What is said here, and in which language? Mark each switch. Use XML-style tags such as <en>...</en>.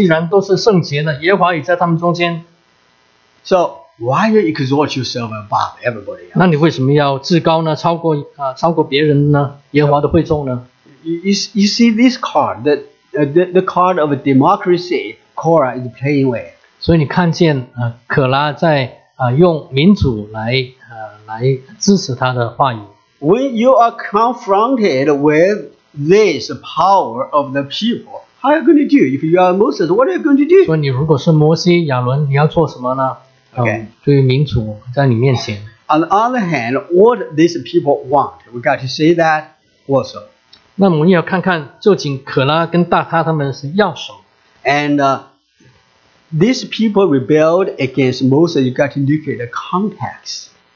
<zh>所以可拉说，全会众个个都是既然都是圣洁的，耶和华也在他们中间。</zh> <en>So why you exalt yourself above everybody else?</en> <zh>那你为什么要至高呢？超过别人呢？耶和华的会众呢？</zh> <en>You see this card, the card of a democracy, Korah is playing with.</en> <zh>所以你看见可拉在用民主来支持他的话语。</zh> <en>When you are confronted with this power of the people, how are you going to do? If you are Moses, what are you going to do?</en> <zh>说你如果是摩西亚伦，你要做什么呢？</zh> <en>Okay. On the other hand, what these people want, we got to say that also.</en> <zh>那我们要看看究竟可拉跟大他他们是要什么。</zh> <en>And these people rebelled against Moses, you got to look at the context.</en>